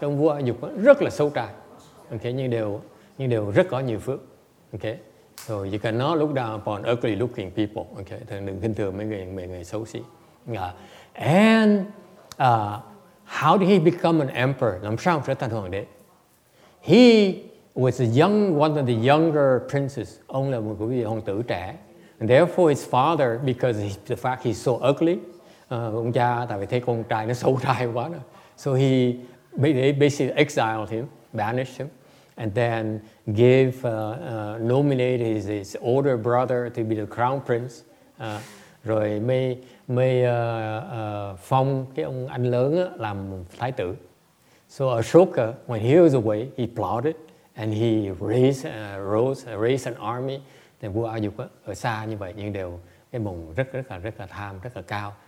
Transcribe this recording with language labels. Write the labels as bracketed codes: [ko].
[vi] Cái vua Ayub rất là xấu trai. Okay. Nhưng đều rất có nhiều phước. [en] Okay. So you cannot look down upon ugly looking people. [vi] Okay, thì đừng khinh thường mấy người xấu xí. [en] And how did he become an emperor? [vi] Làm sao trở thành hoàng đế? [en] He was one of the younger princes. [vi] Ông là một vị hoàng tử trẻ. [en] And therefore his father, because the fact he's so ugly, [vi] ông cha tại vì thấy con trai nó xấu trai quá đó. [en] So they basically exiled him, banished him. And then nominated his older brother to be the crown prince. [vi] Rồi mới phong cái ông anh lớn á, làm thái tử. [en] So Ashoka, when he was away, he plotted and he raised an army. [vi] Thì vua Ayub ở xa như vậy nhưng đều cái bụng rất là tham, rất là cao.